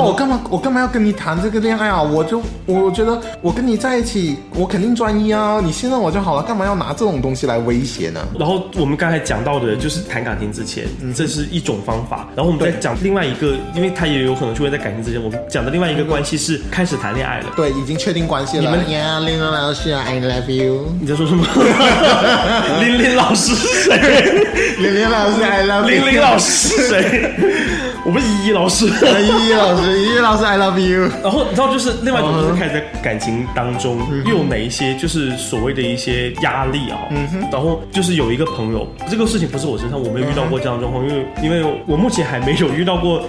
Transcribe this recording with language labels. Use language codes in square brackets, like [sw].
[zh] 我干嘛要跟你谈这个恋爱啊，我觉得我跟你在一起我肯定专一啊，你信任我就好了，干嘛要拿这种东西来威胁呢？然后我们刚才讲到的就是谈感情之前、嗯、这是一种方法，然后我们再讲另外一个，因为他也有可能就会在感情之前，我们讲的另外一个关系是开始谈恋爱了，对，已经确定关系了。你们呀，林林老师 ， [en] I love you。 [zh] 你在说什么？林林老师是谁？林林老师 ， [en] I love you。 [zh] 林林老师是谁？我不是依依老师，依依老师，依依老师 ， [en] I love you。 [zh] 然后你知道，就是另外一种，就是开始在感情当中又有哪一些，就是所谓的一些压力啊、哦。然后就是有一个朋友，这个事情不是我身上，我没有遇到过这样的状况，因为我目前还没有遇到过。